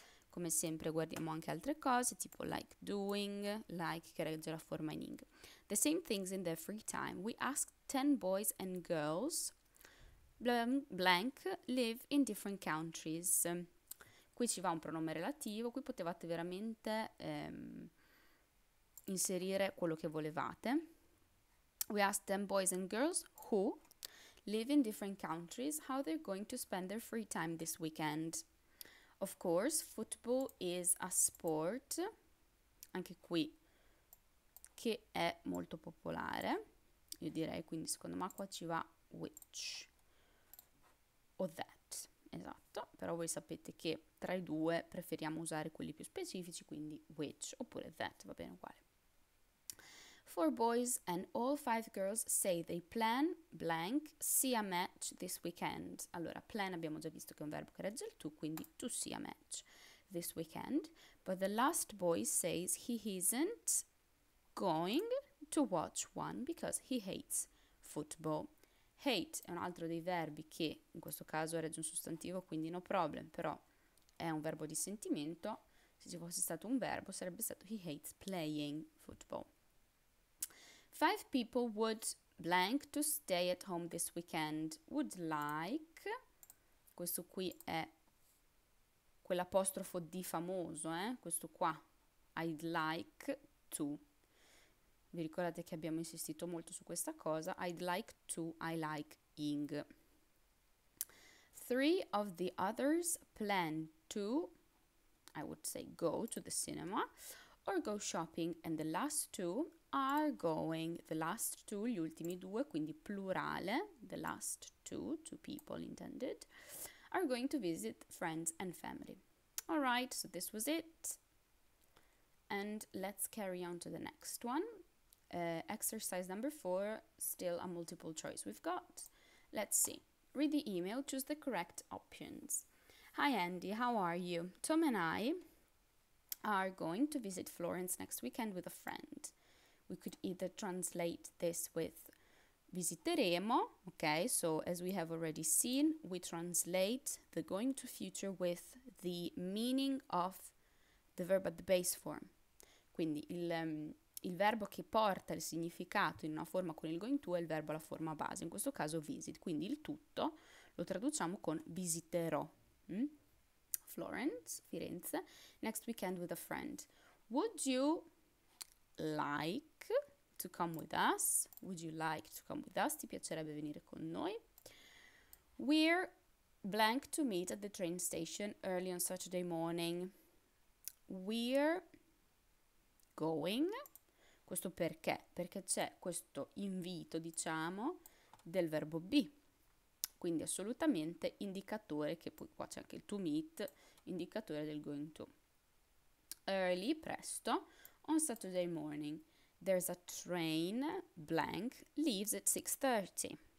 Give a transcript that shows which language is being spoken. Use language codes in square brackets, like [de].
[it] Come sempre guardiamo anche altre cose, tipo [en] like doing, [it] like che regge la forma in ing. [en] The same things in their free time. We ask 10 boys and girls, blank, live in different countries. [it] Qui ci va un pronome relativo, qui potevate veramente inserire quello che volevate. [en] We ask 10 boys and girls who live in different countries, how they're going to spend their free time this weekend. Of course, football is a sport, [it] anche qui, che è molto popolare. Io direi quindi, secondo me, qua ci va which. o that. Esatto, però voi sapete che tra i due preferiamo usare quelli più specifici, quindi which oppure that, va bene uguale. [en] Four boys and all five girls say they plan blank see a match this weekend. [it] Allora, plan abbiamo già visto che è un verbo che regge il to, quindi [en] to see a match this weekend. But the last boy says he isn't going to watch one because he hates football. [it] Hate è un altro dei verbi che in questo caso regge un sostantivo, quindi [en] no problem, [it] però è un verbo di sentimento. Se ci fosse stato un verbo sarebbe stato [en] he hates playing football. Five people would blank to stay at home this weekend. [it] Would like, questo qui è quell'apostrofo di famoso, questo qua, [en] I'd like to. [it] Vi ricordate che abbiamo insistito molto su questa cosa? [en] I'd like to, I like ing. Three of the others plan to, I would say go to the cinema, or go shopping, and the last two are going. The last two, [it] gli ultimi due, quindi plurale, [en] the last two, two people intended, are going to visit friends and family. Alright, so this was it. And let's carry on to the next one. Exercise number four, still a multiple choice we've got. Let's see. Read the email, choose the correct options. Hi Andy, how are you? Tom and I are going to visit Florence next weekend with a friend. We could either translate this with visiteremo, okay? So as we have already seen, we translate the going to future with the meaning of the verb at the base form. [it] Quindi il verbo che porta il significato in una forma con il going to è il verbo alla forma base, in questo caso visit. Quindi il tutto lo traduciamo con visiterò. [en] Florence, Firenze, next weekend with a friend. Would you like to come with us? Would you like to come with us? [it] Ti piacerebbe venire con noi? [en] We're blank to meet at the train station early on Saturday morning. We're going. [it] Questo perché? Perché c'è questo invito, diciamo, del verbo be. Quindi assolutamente indicatore, che poi qua c'è anche il to meet, indicatore del going to. [en] Early, presto, on Saturday morning, there's a train, blank, leaves at 6:30.